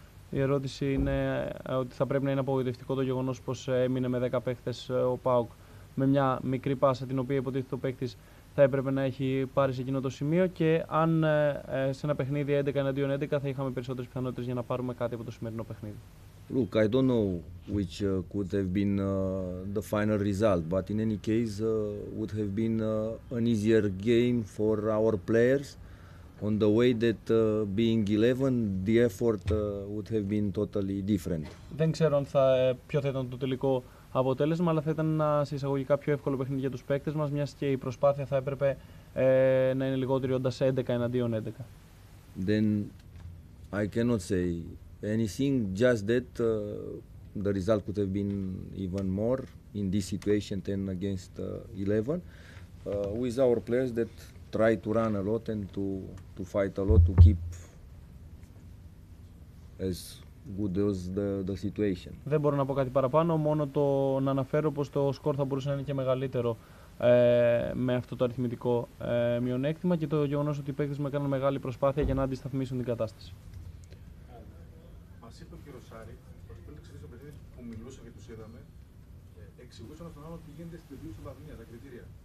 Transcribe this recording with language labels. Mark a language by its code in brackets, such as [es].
[el] Η ερώτηση είναι ότι θα πρέπει να είναι απογοητευτικό το γεγονός πως έμεινε με 10 παίκτες ο ΠΑΟΚ με μια μικρή πάσα την οποία υποτίθεται ο παίκτης θα έπρεπε να έχει πάρει σε εκείνο το σημείο και αν σε ένα παιχνίδι 11 εναντίον 11 θα είχαμε περισσότερες πιθανότητες για να πάρουμε κάτι από το σημερινό παιχνίδι. [en] Look, I don't know which could have been the final result, but in any case would have been an easier game for our players on the way that being 11, the effort would have been totally different. [el] Δεν ξέρω αν θα, ποιο θα ήταν το τελικό αποτέλεσμα, αλλά θα ήταν ένα σε εισαγωγικά πιο εύκολο παιχνίδι για τους παίκτες μας, μιας και η προσπάθεια θα έπρεπε να είναι λιγότερη όντας 11 εναντίον 11. [en] Then I cannot say anything, just that the result could have been even more in this situation than against 11, with our players that try to run a lot and to fight a lot to keep as good as the situation. [el] Δεν μπορώ να πω κάτι παραπάνω, μόνο το να αναφέρω πως το σκορ θα μπορούσε να είναι και μεγαλύτερο με αυτό το αριθμητικό μειονέκτημα και το γεγονός ότι οι παίκτες μου έκαναν μεγάλη προσπάθεια για να αντισταθμίσουν την κατάσταση. Μας είπε ο κύριος Σάρι, ότι πριν ξεκινήσει το παιχνίδι που μιλούσα και τους είδαμε, εξηγούσαν τον άλλο τι γίνεται στην τελική ισοβαθμία, τα κριτήρια.